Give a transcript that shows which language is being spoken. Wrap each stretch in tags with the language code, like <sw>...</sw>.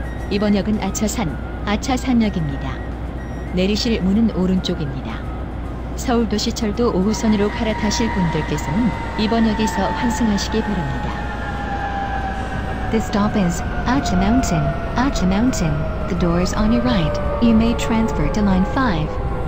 <en>This stop is Achasan, Achasan역입니다.</en> <ko>내리실 문은 오른쪽입니다. 서울도시철도 5호선으로 갈아타실 분들께서는 이번 역에서 환승하시기 바랍니다.</ko> <en>This stop is Acha Mountain, Acha Mountain. The door is on your right. You may transfer to line 5.</en>